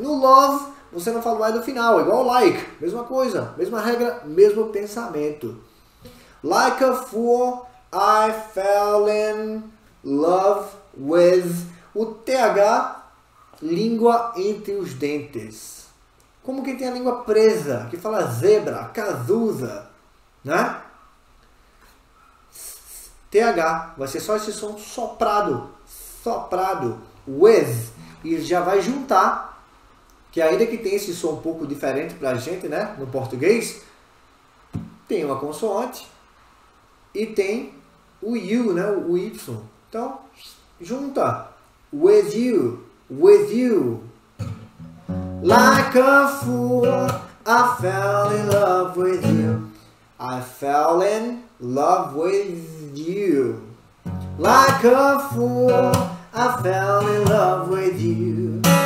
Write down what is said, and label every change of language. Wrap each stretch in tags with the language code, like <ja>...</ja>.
<pt>No love, você não fala o I do final. Igual o like. Mesma coisa. Mesma regra. Mesmo pensamento.</pt> <en>Like a fool, I fell in love with.</en> <pt>O TH, língua entre os dentes. Como quem tem a língua presa, que fala zebra, Cazuza, né? TH, vai ser só esse som soprado, soprado, with, e já vai juntar, que ainda que tenha esse som um pouco diferente pra gente, né, no português, tem uma consoante e tem o you, né, o y.</pt> <en>Então, junta, with you, with you. Like a fool, I fell in love with you. I fell in love with you. Like a fool, I fell in love with you.</en>